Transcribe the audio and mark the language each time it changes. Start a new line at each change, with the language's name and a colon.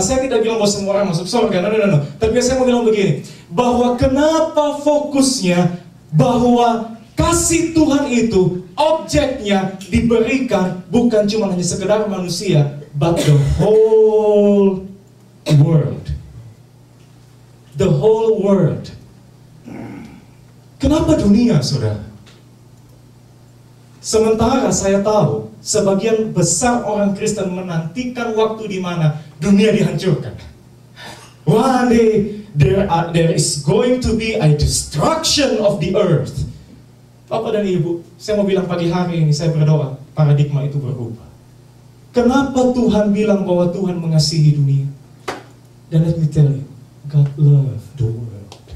Indonesian: Nah, saya tidak bilang bahwa semua orang masuk surga, no. Tapi saya mau bilang begini, bahwa kenapa fokusnya bahwa kasih Tuhan itu objeknya diberikan bukan cuma hanya sekedar manusia,
English: but the whole world. The whole world.
Indonesian: Kenapa dunia, saudara? Sementara saya tahu sebagian besar orang Kristen menantikan waktu di mana dunia dihancurkan.
English: One day there is going to be a destruction of the earth.
Indonesian: Bapak dan Ibu, saya mau bilang pagi hari ini saya berdoa paradigma itu berubah. Kenapa Tuhan bilang bahwa Tuhan mengasihi dunia?
English: Dan let me tell you, God love the world.